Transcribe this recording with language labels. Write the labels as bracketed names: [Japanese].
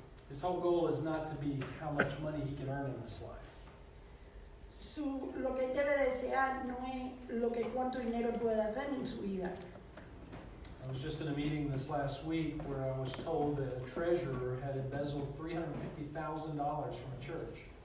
[English] His whole goal is not to be how much money he can earn in this life. [Spanish] Lo que debe desear no es lo que cuánto dinero pueda hacer en su vida. [English] I was just in a meeting this last week where I was told that a treasurer had embezzled $350,000 from a church.